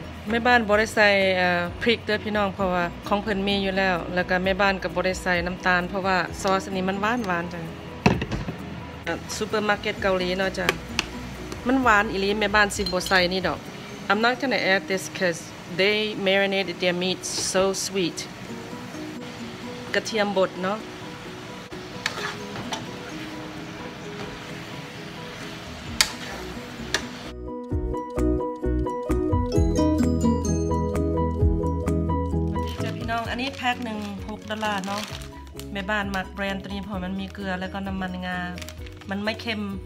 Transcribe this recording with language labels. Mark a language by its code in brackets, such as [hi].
[th] แม่บ้านบ่ได้ใส่พริกเด้อพี่น้องเพราะว่าของเพิ่นมีอยู่แล้วแล้วก็แม่บ้านก็บ่ได้ใส่น้ำตาลเพราะว่าซอสนี้มันหวานจ้ะซูเปอร์มาร์เก็ตเกาหลีเนาะจ้ะมันหวานอีหลีแม่บ้านสิบ่ใส่นี่ดอก [en] I'm not gonna add this because they marinated their meat so sweet. [th] กระเทียมบดเนาะอันนี้แพ็คหนึ่ง $6เนาะแม่บ้านมักแบรนด์ตัวนี้เพราะมันมีเกลือแล้วก็น้ำมันงามันไม่เค็ม